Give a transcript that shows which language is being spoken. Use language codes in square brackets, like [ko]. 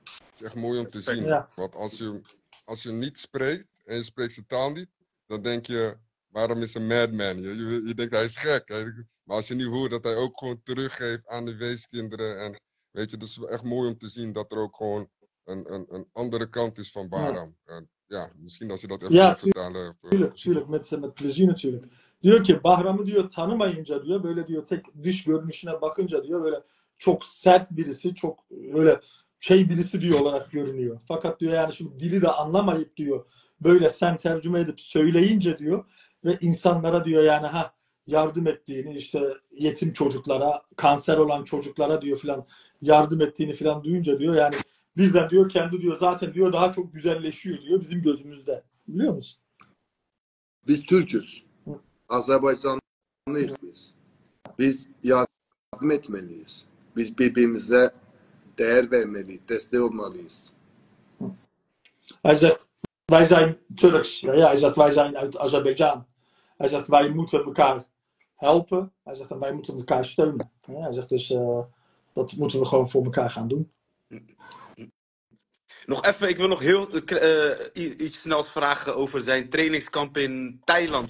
[nl] Het is echt mooi om te zien, ja. Want als je niet spreekt en je spreekt zijn taal niet, dan denk je, waarom is een madman? Je denkt, hij is gek. Maar als je niet hoort dat hij ook gewoon teruggeeft aan de weeskinderen en weet je, het is echt mooi om te zien dat er ook gewoon een andere kant is van Bahram. Ja. Ja, misschien als je dat even vertellen. Ja, tuurlijk, met plezier natuurlijk. [tr] Diyor ki, Bahram'ı diyor, tanımayınca diyor, böyle diyor, tek dış görünüşüne bakınca diyor, böyle çok sert birisi, çok böyle şey birisi diyor olarak görünüyor. Fakat diyor yani şimdi dili de anlamayıp diyor böyle sen tercüme edip söyleyince diyor ve insanlara diyor yani ha yardım ettiğini işte yetim çocuklara, kanser olan çocuklara diyor filan yardım ettiğini filan duyunca diyor yani birden diyor kendi diyor zaten diyor daha çok güzelleşiyor diyor bizim gözümüzde. Biliyor musun? Biz Türk'üz. Azerbaycanlıyız biz. Biz yardım etmeliyiz. Biz birbirimize değer vermeli, desteği olmalıyız. [nl] Hij zegt, wij zijn Turks. Ja, hij zegt, wij zijn uit Azerbeidzjan. Hij zegt, wij moeten elkaar helpen. Hij zegt, wij moeten elkaar steunen. Ja, hij zegt, dus dat moeten we gewoon voor elkaar gaan doen. Nog even, ik wil nog heel iets snels vragen over zijn trainingskamp in Thailand.